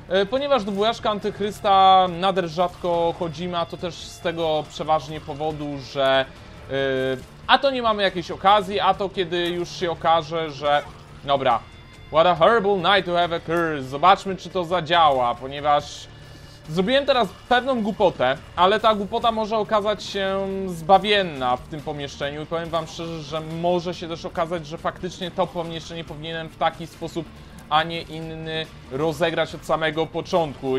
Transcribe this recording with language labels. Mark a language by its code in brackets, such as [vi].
[pl] Ponieważ do wujaszka Antychrysta nader rzadko chodzimy, a to też z tego przeważnie powodu, że a to nie mamy jakiejś okazji, a to kiedy już się okaże, że... [en] Dobra, what a horrible night to have a curse. [pl] Zobaczmy, czy to zadziała, ponieważ zrobiłem teraz pewną głupotę, ale ta głupota może okazać się zbawienna w tym pomieszczeniu. I powiem wam szczerze, że może się też okazać, że faktycznie to pomieszczenie powinienem w taki sposób, a nie inny, rozegrać od samego początku.